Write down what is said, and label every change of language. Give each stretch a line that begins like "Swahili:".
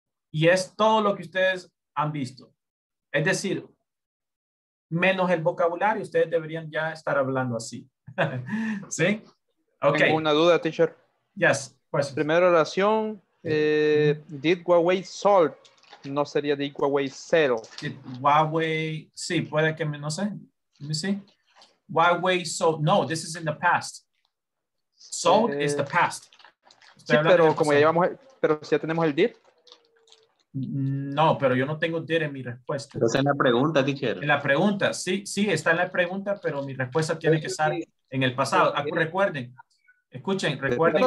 Spanish: Y es todo lo que ustedes han visto. Es decir, menos el vocabulario, ustedes deberían ya estar hablando así. ¿Sí? Okay. Tengo una duda, teacher.
English: Yes, questions.
Spanish: Primera oración,
English: did Huawei sold?
Spanish: No sería
English: did Huawei sell. Did Huawei,
Spanish: sí, puede que me, no sé.
English: Let me see. Huawei sold, no, this is in the past. Sold is the past.
Spanish: Sí, pero como ya llevamos, pero si ya tenemos el did. No, pero yo no tengo did en mi respuesta. Pero está en la pregunta, teacher. En la pregunta, sí, sí, está en la pregunta, pero mi respuesta tiene que estar en el pasado. Recuerden, escuchen, recuerden.